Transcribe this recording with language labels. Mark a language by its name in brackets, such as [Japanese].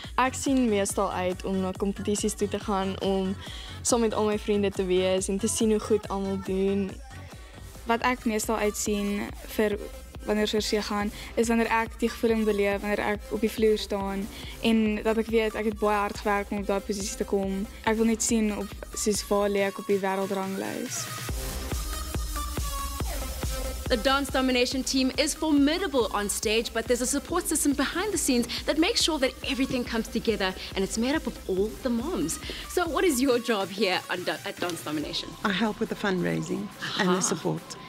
[Afrikaans] Ek sien meestal uit om na competities toe te gaan om saam met al my vriende te wees en te sien hoe goed almal doen. Wat ek meestal uitsien vir wanneer soos jy gaan is wanneer ek die gevoel beleef wanneer ek op die vloer staan en dat ek weet ek het baie hard gewerk om op daai posisie te kom. Ek wil net sien op soos waar lê ek op die wêreldranglys. [English] The Dance Domination team is formidable on stage, but there's a support system behind the scenes that makes sure that everything comes together, and it's made up of all the moms. So what is your job here at Dance Domination? I help with the fundraising and the support.